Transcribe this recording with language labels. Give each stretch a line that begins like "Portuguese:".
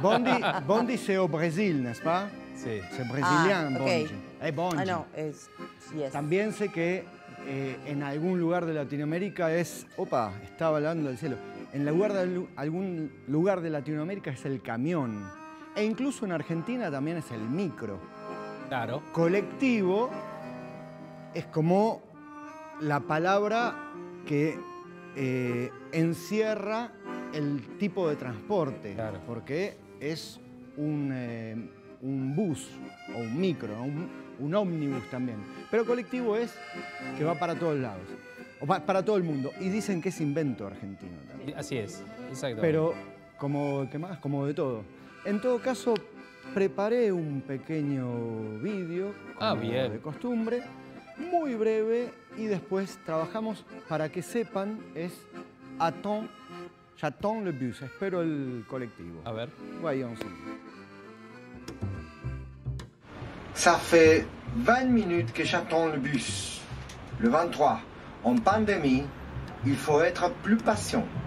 French: Bondi, Bondi c'est au Brésil, n'est-ce pas?
Spanish: Sí.
French: C'est brésilien, ah,
Portuguese: Bondi.
English: Okay.
Spanish: Es Bondi. Ah, no, es...
English: Yes.
Spanish: También sé que en algún lugar de Latinoamérica es... Opa, estaba hablando del cielo. En lugar de algún lugar de Latinoamérica es el camión. E incluso en Argentina también es el micro. Claro. Colectivo es como la palabra que encierra el tipo de transporte. Claro. Porque es un bus o un micro, un ómnibus también. Pero colectivo es que va para todos lados. O para todo el mundo. Y dicen que es invento argentino también. Así es, exacto. Pero, como, ¿qué más? Como de todo. En todo caso, preparé un pequeño vídeo, como de costumbre, muy breve, y después trabajamos, para que sepan, es attends,
French: j'attends le bus,
Spanish: espero el colectivo. A ver.
French: Voyons. Ça fait 20 minutes que j'attends le bus. Le 23. En pandémie, il faut être plus patient.